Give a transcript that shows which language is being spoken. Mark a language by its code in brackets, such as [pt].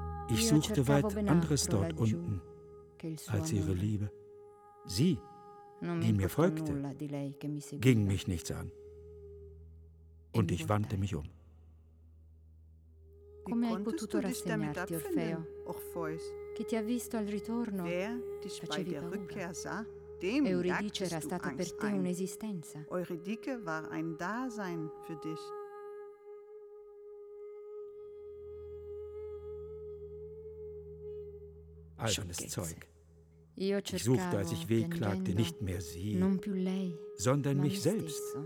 [de] Ich suchte weit anderes dort unten als ihre Liebe. Sie, die mir folgte, ging mich nichts an. Und ich wandte mich um. Wie konntest du dich damit abfinden, Orpheus? Wer dich bei der Rückkehr sah? [it] Euridice era stata per te un'esistenza. [de] Euridice war ein Dasein für dich. Albernes Zeug. Ich suchte, als ich wehklagte, nicht mehr sie, [it] non più lei, [de] sondern mich selbst.